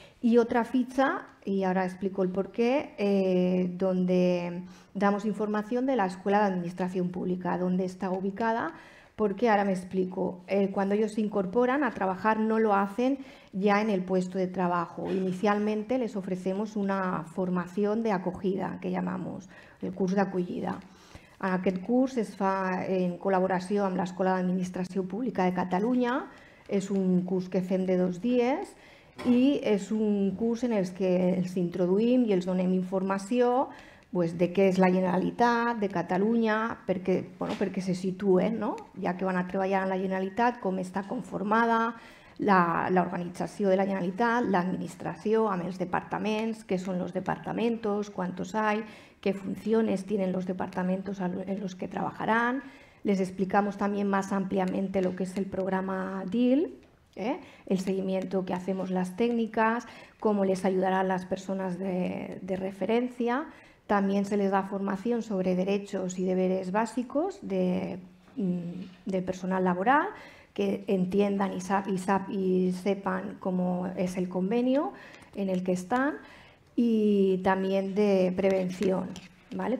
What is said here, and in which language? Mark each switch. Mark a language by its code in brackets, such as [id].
[es] Y otra ficha, y ahora explico el porqué, donde damos información de la Escuela de Administración Pública, dónde está ubicada, porque ahora me explico. Cuando ellos se incorporan a trabajar, no lo hacen ya en el puesto de trabajo. Inicialmente les ofrecemos una formación de acogida, que llamamos el curso de acollida. [ca] Aquest curs es fa en col·laboració amb l'Escola d'Administració Pública de Catalunya. És un curs que fem de dos dies i és un curs en el que els introduïm i els donem informació de què és la Generalitat de Catalunya, perquè se situen, ja que van a treballar en la Generalitat, com està conformada l'organització de la Generalitat, l'administració amb els departaments, què són els departaments, quants hi ha, [es] qué funciones tienen los departamentos en los que trabajarán. Les explicamos también más ampliamente lo que es el programa DIL, el seguimiento que hacemos las técnicas, cómo les ayudarán las personas de referencia. También se les da formación sobre derechos y deberes básicos de personal laboral, que entiendan y sepan cómo es el convenio en el que están, y también de prevención, ¿vale?